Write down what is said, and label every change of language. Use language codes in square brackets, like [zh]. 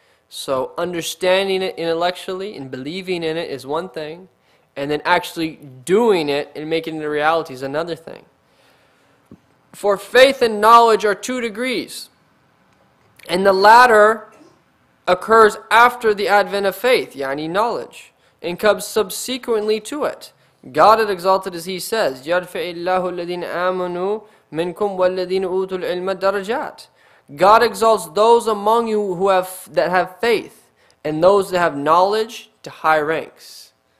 [en] So understanding it intellectually and believing in it is one thing, and then actually doing it and making it a reality is another thing. For faith and knowledge are 2 degrees, and the latter occurs after the advent of faith, yani knowledge, and comes subsequently to it. God had exalted as he says, [ar] يَرْفَعِ اللَّهُ الَّذِينَ آمَنُوا مِنْكُمْ وَالَّذِينَ أُوتُوا الْعِلْمَ دَرَجَاتِ. [en] God exalts those among you who have that have faith, and those that have knowledge to high ranks.